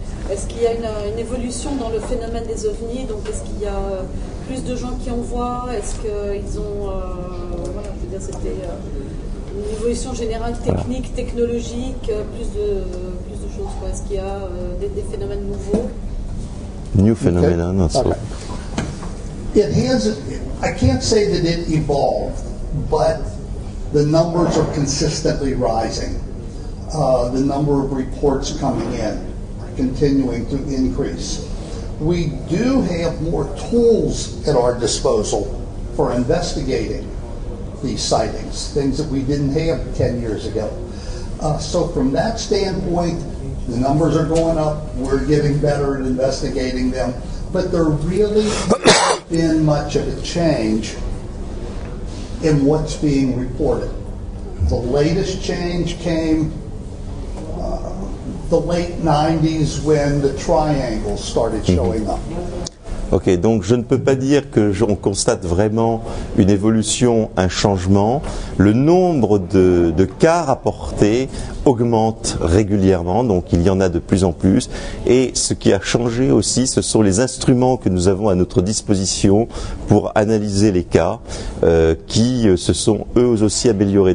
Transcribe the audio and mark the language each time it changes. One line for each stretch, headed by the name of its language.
French: est-ce qu'il y a une évolution dans le phénomène des OVNI? Donc, est-ce qu'il y a plus de gens qui en voient? Est-ce qu'ils ont... une évolution générale technique, voilà. Technologique, plus de choses, quoi. Est-ce qu'il y a des phénomènes nouveaux?
English: New phenomenon. Okay. So. Okay. It has. I can't say that it evolved, but the numbers are consistently rising. The number of reports coming in are continuing to increase. We do have more tools at our disposal for investigating these sightings, things that we didn't have 10 years ago. So from that standpoint, the numbers are going up, we're getting better at investigating them, but there really hasn't been much of a change in what's being reported. The latest change came the late 90s when the triangles started showing up.
French: Ok, donc je ne peux pas dire que on constate vraiment une évolution, un changement. Le nombre de cas rapportés augmente régulièrement, donc il y en a de plus en plus. Et ce qui a changé aussi, ce sont les instruments que nous avons à notre disposition pour analyser les cas, qui se sont eux aussi améliorés.